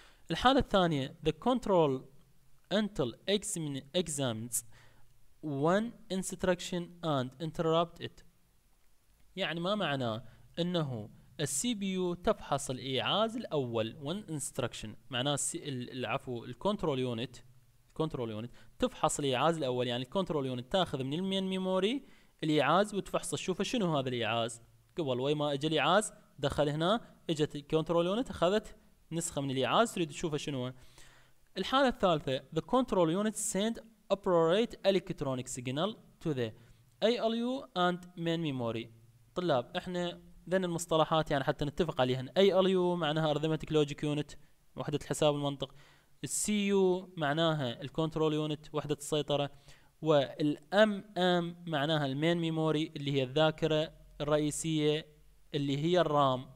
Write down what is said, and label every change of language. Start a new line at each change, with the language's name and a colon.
Arabic: الحالة الثانية
English: the control until examines one instruction and interrupt it،
Arabic: يعني ما معناه انه السي بي يو تفحص الايعاز الاول one instruction، معناه العفو الكنترول يونت تفحص الايعاز الاول، يعني الكنترول يونت تاخذ من المين ميموري الايعاز وتفحصه تشوفه شنو هذا الايعاز، قبل وي ما اجى الايعاز دخل هنا، اجت الكنترول يونت اخذت نسخه من الايعاز تريد تشوفه شنو. الحاله الثالثه
English: the control unit send operate electronic signal to the ALU and main memory.
Arabic: طلاب احنا ذن المصطلحات يعني حتى نتفق عليهن، ALU معناها arithmetic logic unit، مع وحدة الحساب المنطق. السي يو معناها الكنترول يونت، وحدة السيطرة. والام ام معناها المين ميموري اللي هي الذاكرة الرئيسية اللي هي الرام.